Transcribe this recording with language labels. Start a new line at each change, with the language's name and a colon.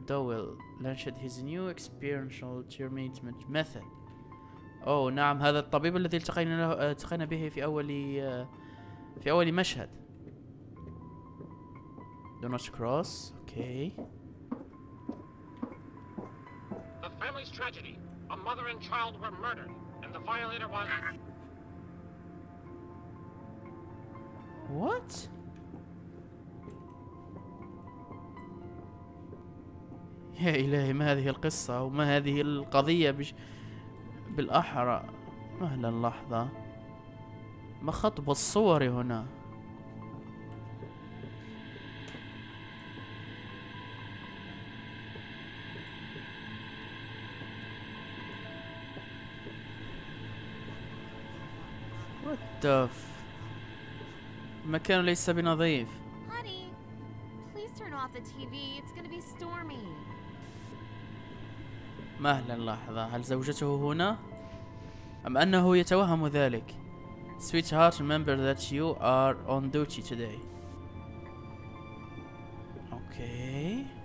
English: Dowell launched his new experiential treatment method.
Arabic: أوه نعم، هذا الطبيب الذي التقينا به في أول مشهد.
English: Do not cross. Okay. Family's tragedy. A mother and child were murdered, and the violator was... What?
Arabic: يا إلهي، ما هذه القصة وما هذه القضية بالأحرى؟ مهلا لحظة، ما خطب الصور هنا؟
English: What the f-
Arabic: المكان ليس بنظيف.
English: Honey, please turn off the TV. It's gonna be stormy.
Arabic: مهلا لحظة، هل زوجته هنا؟ أم أنه يتوهم ذلك؟
English: Sweetheart, remember that you are on duty today. Okay.